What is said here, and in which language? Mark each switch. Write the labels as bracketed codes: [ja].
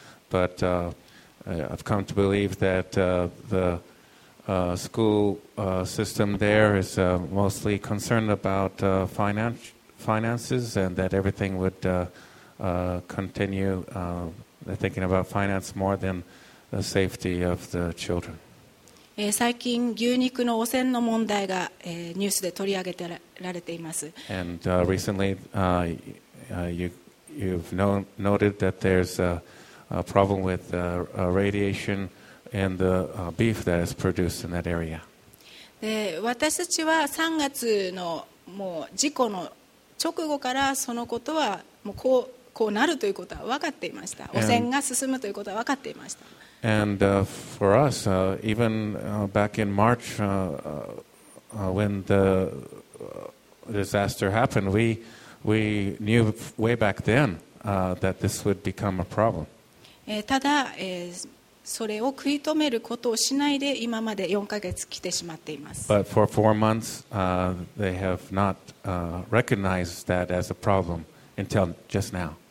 [en] But I've come to believe that the school system there is mostly concerned about finances and that everything would continue thinking about finance more than the safety of the children. [ja] 最近牛肉の汚染の問題がニュースで取り上げてられています。 [en] And recently you've noted that there's a problem with radiation and the beef that is produced in that area. [ja] で、私たちは3月のもう事故の直後からそのことはもうこうなるということは分かっていました。汚染が進むということは分かっていました。 [en] And for us, even back in March, when the disaster happened, we knew way back then that this would become a problem. [ja] ただ、それを食い止めることをしないで今まで4ヶ月来てしまっています。 [en] But for four months, they have not recognized that as a problem until just now.